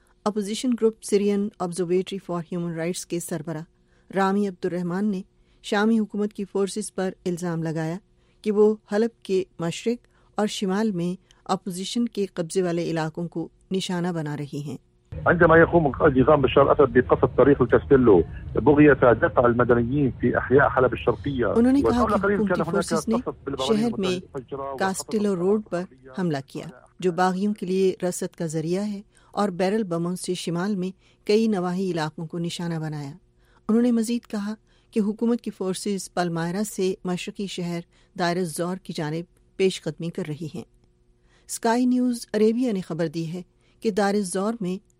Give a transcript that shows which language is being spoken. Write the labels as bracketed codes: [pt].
[ur] Opposition group Sirin observatory for human rights کے سربراہ رامی عبدالرحمان نے شامی حکومت کی فورسز پر الزام لگایا کہ وہ حلب کے مشرق اور شمال میں اپوزیشن کے قبضے والے علاقوں کو نشانہ بنا رہی ہیں۔ [ar] عندما يقوم نظام بشار الاسد بقصف تاريخ الكاستيلو بغيه دفع المدنيين في احياء حلب الشرقيه [ur] انہوں نے کہا کہ حکومت کی فورسز نے شہر میں کاسٹلو روڈ پر حملہ کیا جو باغیوں کے لیے رصد کا ذریعہ ہے اور بیرل بموں سے شمال میں کئی نواحی علاقوں کو نشانہ بنایا۔ انہوں نے مزید کہا کہ حکومت کی فورسز پلمائرا سے مشرقی شہر دائر الزور کی جانب پیش قدمی کر رہی ہیں۔ اسکائی نیوز عربیہ نے خبر دی ہے کہ دائر الزور میں